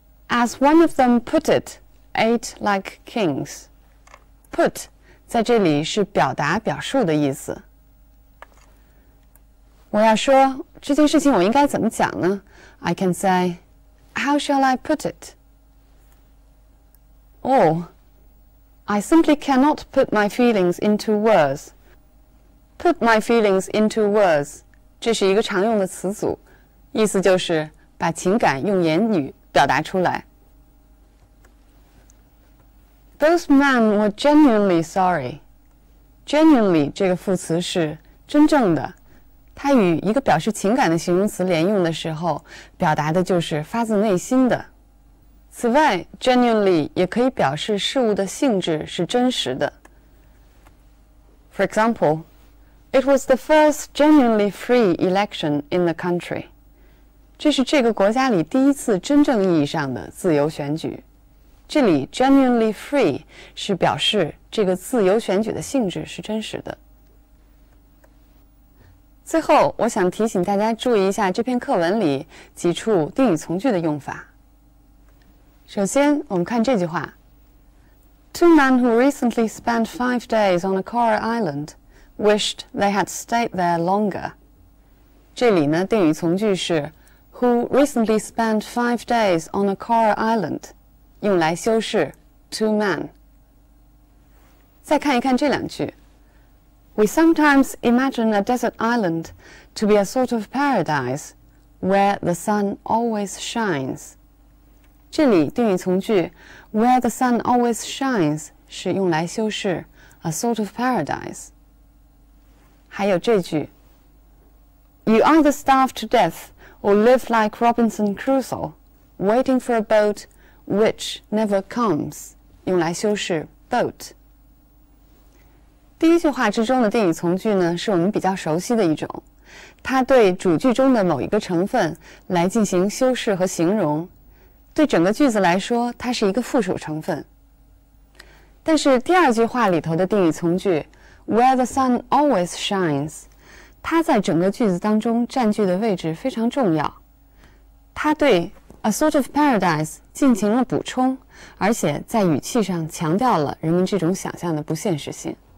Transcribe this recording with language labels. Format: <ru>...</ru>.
<en>As one of them put it, ate like kings.</en> <zh>Put, 在这里是表达表述的意思。我要说，这件事情我应该怎么讲呢？</zh> <en>I can say, how shall I put it? Oh, I simply cannot put my feelings into words. Put my feelings into words.</en> <zh>这是一个常用的词组，意思就是把情感用言语表达出来。</zh> <en>Both men were genuinely sorry.</en> <zh>Genuinely 这个副词是真正的，它与一个表示情感的形容词连用的时候，表达的就是发自内心的。此外 genuinely 也可以表示事物的性质是真实的。</zh> <en>For example, it was the first genuinely free election in the country.</en> <zh>这是这个国家里第一次真正意义上的自由选举。这里</zh> <en>genuinely free</en> <zh>是表示这个自由选举的性质是真实的。最后，我想提醒大家注意一下这篇课文里几处定语从句的用法。首先，我们看这句话</zh> <en>：Two men who recently spent 5 days on a Kauri island wished they had stayed there longer。</en> <zh>这里呢，定语从句是</zh> <en>who recently spent 5 days on a Kauri island，</en> <zh>用来修饰</zh> <en>two men。</en> <zh>再看一看这两句。</zh> <en>We sometimes imagine a desert island to be a sort of paradise where the sun always shines.</en> <zh>这里定语从句</zh> <en>where the sun always shines</en> <zh>是用来修饰</zh> <en>a sort of paradise.</en> <zh>还有这句</zh> <en>You either starve to death or live like Robinson Crusoe, waiting for a boat which never comes,</en> <zh>用来修饰</zh> <en>boat.</en> <zh>第一句话之中的定语从句呢，是我们比较熟悉的一种，它对主句中的某一个成分来进行修饰和形容，对整个句子来说，它是一个附属成分。但是第二句话里头的定语从句</zh> <en>where the sun always shines，</en> <zh>它在整个句子当中占据的位置非常重要，它对</zh> <en>a sort of paradise</en> <zh>进行了补充，而且在语气上强调了人们这种想象的不现实性。</zh>